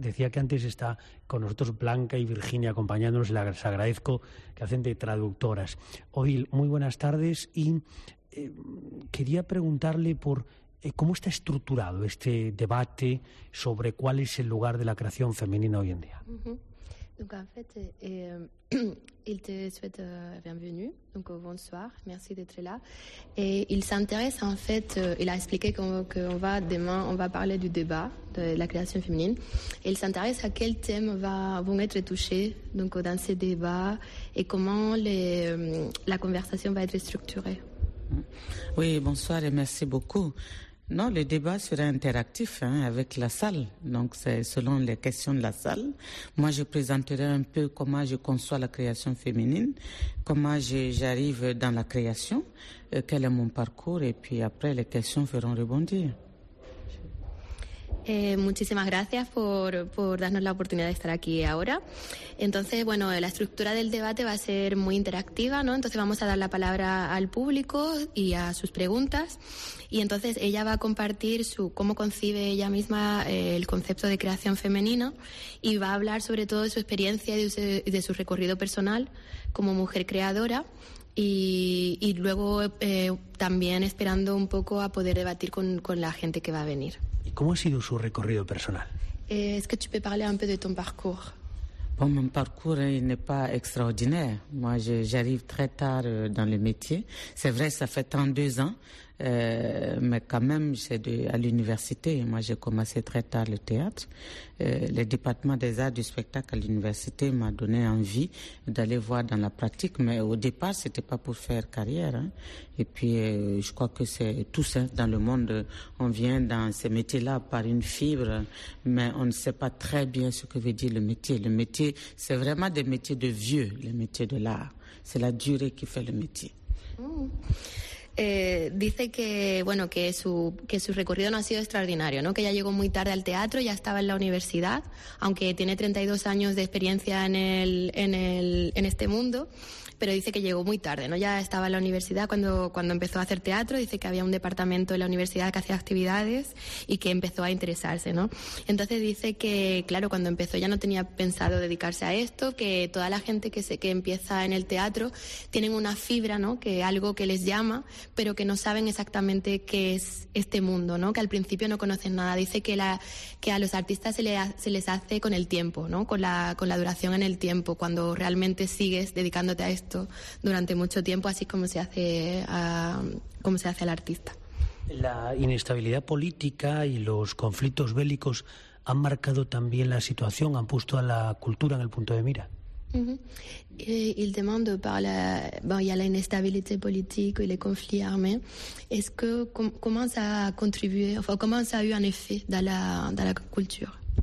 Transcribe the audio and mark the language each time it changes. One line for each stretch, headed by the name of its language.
Spanish: Decía que antes está con nosotros Blanca y Virginia acompañándonos, les agradezco que hacen de traductoras. Odil, muy buenas tardes y quería preguntarle por cómo está estructurado este debate sobre cuál es el lugar de la creación femenina hoy en día.
French: Donc en fait, il te souhaite bienvenue, donc bonsoir, merci d'être là. Et il s'intéresse en fait, il a expliqué qu'on va demain, on va parler du débat de la création féminine. Et il s'intéresse à quels thèmes vont être touchés donc, dans ces débats et comment la conversation va être structurée. Oui, bonsoir et merci beaucoup. Non, le débat sera interactif hein, avec la salle. Donc, c'est selon les questions de la salle. Moi, je présenterai un peu comment je conçois la création féminine, comment j'arrive dans la création, quel est mon parcours, et puis après, les questions feront rebondir.
Spanish: Muchísimas gracias por darnos la oportunidad de estar aquí ahora. Entonces, bueno, la estructura del debate va a ser muy interactiva, ¿no? Entonces vamos a dar la palabra al público y a sus preguntas. Y entonces ella va a compartir cómo concibe ella misma el concepto de creación femenina y va a hablar sobre todo de su experiencia y de su recorrido personal como mujer creadora. Y luego también esperando un poco a poder debatir con la gente que va a venir. ¿Y cómo ha sido su recorrido personal?
French: Est-ce que tu peux parler un peu de ton parcours? Bon, mon parcours n'est pas extraordinaire. Moi, j'arrive très tard dans le métier. C'est vrai, ça fait 32 ans, mais quand même, c'est à l'université. Moi, j'ai commencé très tard le théâtre. Le département des arts du spectacle à l'université m'a donné envie d'aller voir dans la pratique. Mais au départ, ce n'était pas pour faire carrière. Hein. Et puis, je crois que c'est tout ça. Dans le monde, on vient dans ces métiers-là par une fibre, mais on ne sait pas très bien ce que veut dire le métier. Le métier, c'est vraiment des métiers de vieux, les métiers de l'art. C'est la durée qui fait le métier.
Spanish: Dice que bueno que su recorrido no ha sido extraordinario, ¿no? Que ya llegó muy tarde al teatro, ya estaba en la universidad, aunque tiene 32 años de experiencia en este mundo, pero dice que llegó muy tarde, ¿no? Ya estaba en la universidad cuando empezó a hacer teatro, dice que había un departamento en la universidad que hacía actividades y que empezó a interesarse, ¿no? Entonces dice que claro, cuando empezó ya no tenía pensado dedicarse a esto, que toda la gente que empieza en el teatro tienen una fibra, ¿no? Que algo que les llama, pero que no saben exactamente qué es este mundo, ¿no? Que al principio no conocen nada. Dice que a los artistas se les hace con el tiempo, ¿no? Con la duración en el tiempo, cuando realmente sigues dedicándote a esto durante mucho tiempo, así como se hace al artista. La inestabilidad política y los conflictos bélicos han marcado también la situación, han puesto a la cultura en el punto de mira.
French: Il demande par la... Bon, il y a l'inestabilité politique et les conflits armés. Est-ce que... Comment ça a contribué... Enfin, comment ça a eu un effet dans la culture?